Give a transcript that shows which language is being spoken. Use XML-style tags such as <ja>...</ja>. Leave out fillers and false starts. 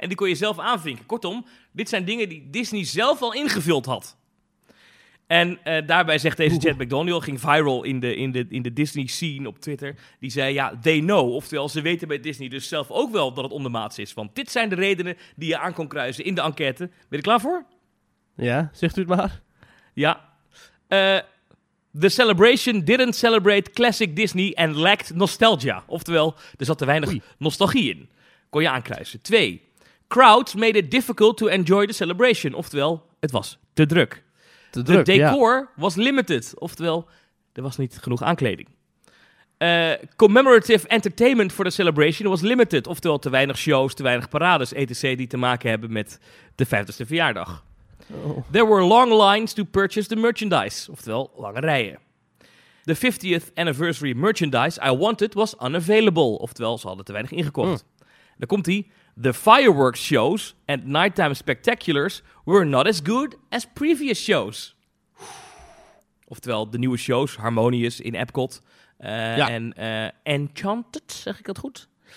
<nl>en die kon je zelf aanvinken. Kortom, dit zijn dingen die Disney zelf al ingevuld had. En daarbij zegt deze Chad McDaniel... ging viral in de Disney scene op Twitter. Die zei, ja, they know. Oftewel, ze weten bij Disney dus zelf ook wel dat het ondermaats is. Want dit zijn de redenen die je aan kon kruisen in de enquête. Ben je er klaar voor? Ja, zegt u het maar. Ja.</nl> <en>The celebration didn't celebrate classic Disney and lacked nostalgia.</en> <nl>Oftewel, er zat te weinig nostalgie in. Kon je aankruisen. 2.</nl> <en>Crowds made it difficult to enjoy the celebration.</en> <nl>Oftewel, het was te druk. Te druk,</nl> <en>the decor was limited.</en> <nl>Oftewel, er was niet genoeg aankleding.</nl> <en>Commemorative entertainment for the celebration was limited.</en> <nl>Oftewel, te weinig shows, te weinig parades, etc. die te maken hebben met de 50ste verjaardag.</nl> <en>There were long lines to purchase the merchandise. Oftewel, lange rijen. The 50th anniversary merchandise I wanted was unavailable.</en> <nl>Oftewel, ze hadden te weinig ingekocht. Dan komt hij. The fireworks shows and nighttime spectaculars were not as good as previous shows. Oftewel, de nieuwe shows, Harmonious in Epcot. En Enchanted, zeg ik dat goed?</nl>